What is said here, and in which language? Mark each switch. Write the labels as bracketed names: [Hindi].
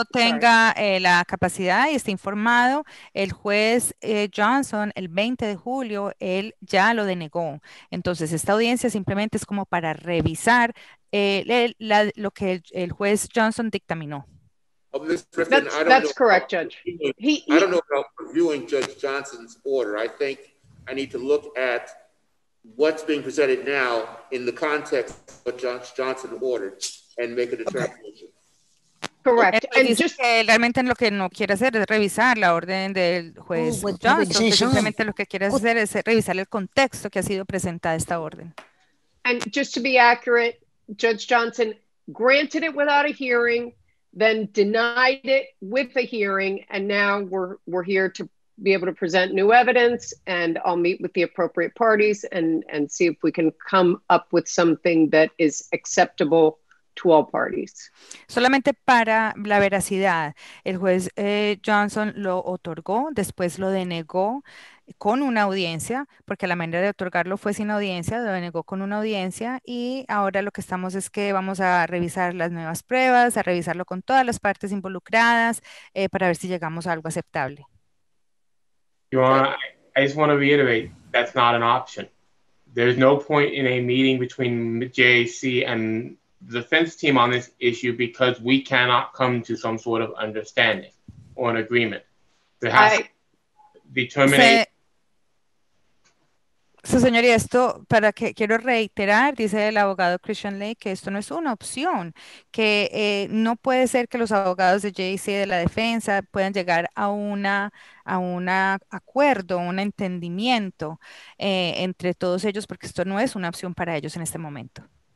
[Spanish] Tenga la capacidad y esté informado, el juez Johnson, el 20 de julio, él ya lo denegó. Entonces, esta audiencia simplemente es como para revisar lo que el juez Johnson dictaminó. [English] That's correct, Judge. I don't know about reviewing Judge Johnson's order. I think I need to look at what's being presented now in the context of what Judge Johnson ordered and make a determination. Correct. And just [Spanish] realmente lo que no quiere hacer es revisar la orden del juez Johnson. Simplemente lo que quiere hacer es revisar el contexto que ha sido presentada esta orden. [English] And just to be accurate, Judge Johnson granted it without a hearing, then denied it with a hearing, and now we're here to be able to present new evidence and I'll meet with the appropriate parties and see if we can come up with something that is acceptable to all parties. [Spanish] Solamente para la veracidad, el juez Johnson lo otorgó, después lo denegó con una audiencia, porque la manera de otorgarlo fue sin audiencia, lo denegó con una audiencia y ahora lo que estamos es que vamos a revisar las nuevas pruebas, a revisarlo con todas las partes involucradas para ver si llegamos a algo aceptable. [English] Your Honor, I just want to reiterate, that's not an option. There's no point in a meeting between JAC and the defense team on this issue because we cannot come to some sort of understanding or an agreement. There has to be terminated. [Spanish] Su señoría, esto para que quiero reiterar, dice el abogado Christian Lake, que esto no es una opción, que no puede ser que los abogados de JC de la defensa puedan llegar a una acuerdo, un entendimiento entre todos ellos, porque esto no es una opción para ellos en este momento.